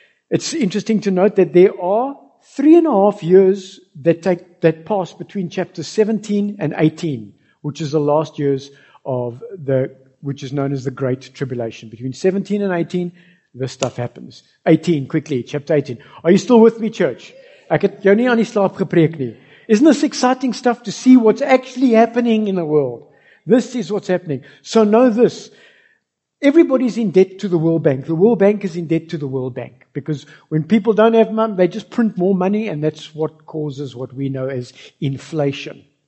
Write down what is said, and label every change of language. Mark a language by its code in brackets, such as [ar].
[en] It's interesting to note that there are 3.5 years that pass between chapter 17 and 18, which is the last years of which is known as the Great Tribulation. Between 17 and 18, this stuff happens. 18, quickly, chapter 18. Are you still with me, church? [af] Ek het jou nie aan die slaap gepreek nie. [en] Isn't this exciting stuff to see what's actually happening in the world? This is what's happening. So know this. Everybody's in debt to the World Bank. The World Bank is in debt to the World Bank. Because when people don't have money, they just print more money, and that's what causes what we know as inflation.